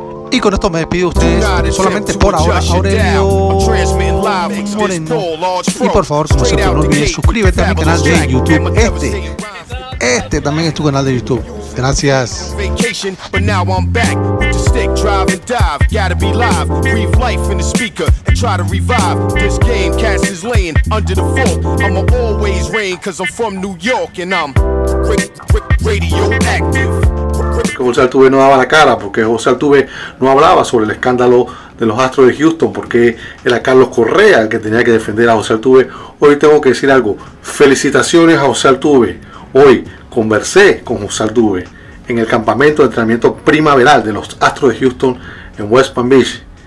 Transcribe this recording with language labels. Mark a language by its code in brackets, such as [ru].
[es] Y con esto me despido de ustedes, solamente por ahora, Aurelio Moreno. Y por favor, como siempre, no olvides suscríbete a mi canal de YouTube. Este también es tu canal de YouTube. Gracias. [en] Vacation, but now I'm back. With the stick, drive and dive. Gotta be live. Breathe life in the speaker and try to revive. This game, cast is laying under the vault. I'ma always rain, cause I'm from New York and I'm radioactive. [es] Que José Altuve no daba la cara, porque José Altuve no hablaba sobre el escándalo de los Astros de Houston, porque era Carlos Correa el que tenía que defender a José Altuve. Hoy tengo que decir algo. Felicitaciones a José Altuve. Hoy conversé con José Altuve en el campamento de entrenamiento primaveral de los Astros de Houston en West Palm Beach.